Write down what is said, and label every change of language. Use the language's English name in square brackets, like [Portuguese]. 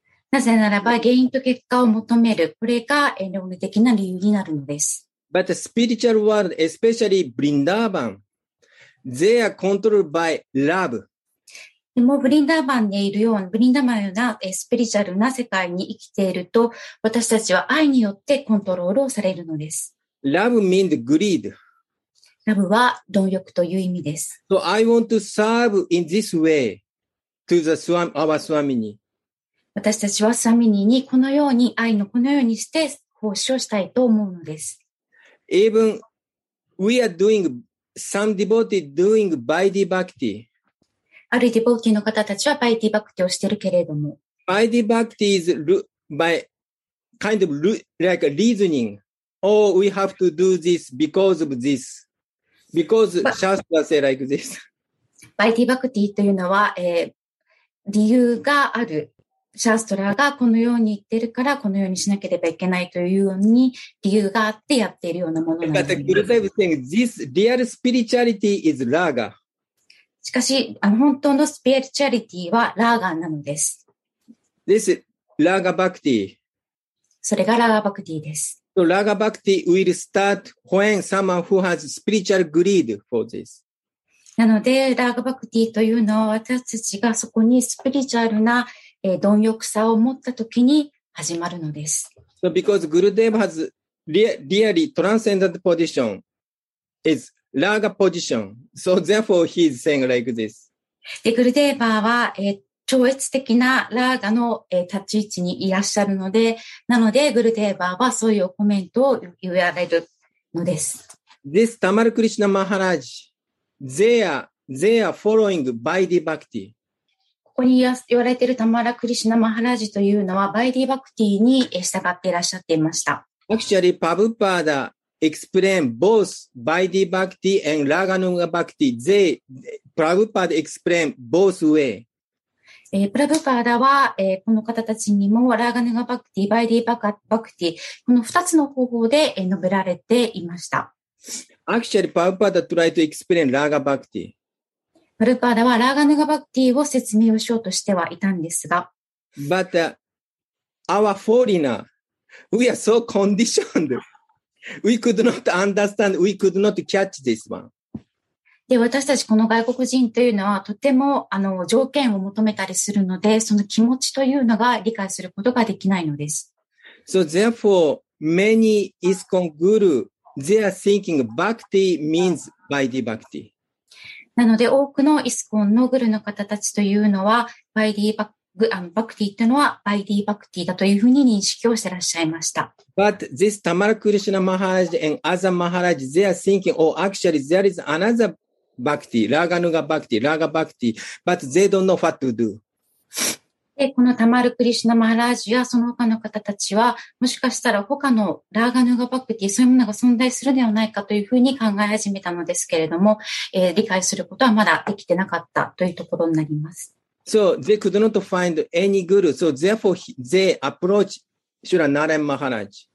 [Japanese] なぜならば原因と結果を求める。これが論理的な理由になるのです。 [English] But the spiritual world, especially Vrindavan, they are controlled by love. [Japanese] でも、ブリンダーバンでいるような、ブリンダーバンのようなスピリチュアルな世界に生きていると、私たちは愛によってコントロールをされるのです。 [English] Love means greed. [Japanese] Love は貪欲という意味です。 [English] So I want to serve in this way to the Swami, our Swamini. [Japanese] 私たちはスワミニーにこのように愛のこのようにして奉仕をしたいと思うのです。 [English] Even we are doing some devotees doing Vaidhi Bhakti. [Japanese] あるディボーティーの方たちはバイディバクティをしているけれども。 [English] Vaidhi Bhakti is by kind of like a reasoning. Oh, we have to do this because of this. Because Shastra say like this. [Japanese] バイディバクティというのは、理由がある。シャーストラがこのように言ってるからこのようにしなければいけないというように理由があってやっているようなものなんです。 [English] But the Guru Dev saying this real spirituality is Raga. [Japanese] しかし、本当のスピリチュアリティはラーガなのです。 [English] This is Raga Bhakti. [Japanese] それがラガバクティです。 [English] So Raga Bhakti will start when someone who has spiritual greed for this. [Japanese] なので、ラーガバクティというのは私たちがそこにスピリチュアルな貪欲さを持ったときに始まるのです。 [English] So、because Gurudev has really transcendent position is Raga position. So therefore he is saying like this. [Japanese] で、Gurudev は超越的なラーガの立ち位置にいらっしゃるので、なので Gurudev はそういうコメントを言われるのです。 [English] This Tamal Krishna Maharaj, they are following Vaidhi Bhakti. [Japanese] ここに言われているタマラ・クリシナ・マハラジというのはバイディ・バクティに従っていらっしゃっていました。 [English] Actually, Prabhupada explained both バイディ・バクティ and ラガヌガ・バクティ。 Prabhupada explained both way. [Japanese] プラブパーダは、この方たちにもラガヌガ・バクティ、バイディ・バクティ、この2つの方法で述べられていました。 [English] Actually, Prabhupada tried to explain ラガ・バクティ。 [Japanese] プルパーダはラーガヌガバクティを説明をしようとしてはいたんですが。 [English] But, our foreigner, we are so conditioned. We could not understand, we could not catch this one. [Japanese] で、私たちこの外国人というのはとても条件を求めたりするので、その気持ちというのが理解することができないのです。 [English] So therefore, many ISKCON guru, they are thinking bhakti means Vaidhi bhakti. [Japanese] なので多くのイスコンのグルの方たちというのはバイディバクティというのはバイディバクティだというふうに認識をしてらっしゃいました。 [English] But this Tamal Krishna Maharaj and other Maharaj they are thinking, oh, actually there is another bhakti, Raganuga bhakti, Raga bhakti, but they don't know what to do. [Japanese] で、このタマル・クリシナ・マハラージュやその他の方たちは、もしかしたら他のラーガ・ヌーガ・バクティ、そういうものが存在するではないかというふうに考え始めたのですけれども、理解することはまだできてなかったというところになります。 [English] So, they could not find any guru. So, therefore, they approach Shura Naren Maharaj.